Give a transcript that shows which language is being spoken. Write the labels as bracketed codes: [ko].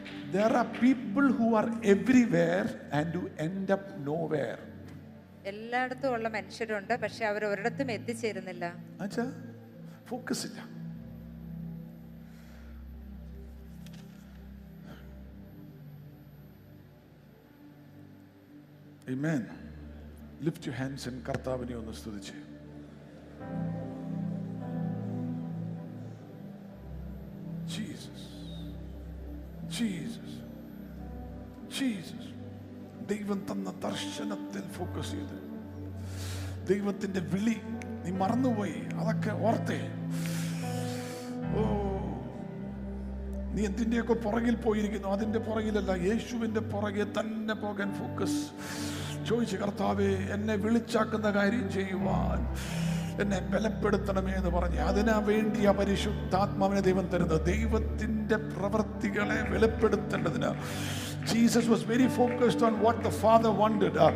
[en] There are people who are everywhere and who end up nowhere. [ml] എല്ലായിടത്തും ഉള്ള മനുഷ്യരുണ്ട്, പക്ഷെ അവർ ഒരിടത്തും എത്തിച്ചേരുന്നില്ല. അച്ഛാ, ഫോക്കസ് ഇല്ല. [en] Amen. Lift your hands and [ml] കർത്താവിനെ ഒന്ന് സ്തുതിച്ച്. [en] Jesus. Jesus. Jesus. [ml] ദൈവം തന്ന ദർശനത്തിൽ ഫോക്കസ് ചെയ്ത്, ദൈവത്തിന്റെ വിളി നീ മറന്നുപോയി, അതൊക്കെ ഓർത്തേ. ഓ, നീ എന്തിൻ്റെയൊക്കെ പുറകിൽ പോയിരിക്കുന്നു, അതിൻ്റെ പുറകിലല്ല, യേശുവിൻ്റെ പുറകെ തന്നെ പോകാൻ ഫോക്കസ്. ചോദിച്ച് കർത്താവേ, എന്നെ വിളിച്ചാക്കുന്ന കാര്യം ചെയ്യുവാൻ എന്നെ ബലപ്പെടുത്തണമേ എന്ന് പറഞ്ഞ്, അതിനാ വേണ്ടി ആ പരിശുദ്ധാത്മാവിനെ ദൈവം തരുന്നത്, ദൈവത്തിൻ്റെ പ്രവൃത്തികളെ വെളിപ്പെടുത്തേണ്ടതിന്. [en] Jesus was very focused on what the Father wanted.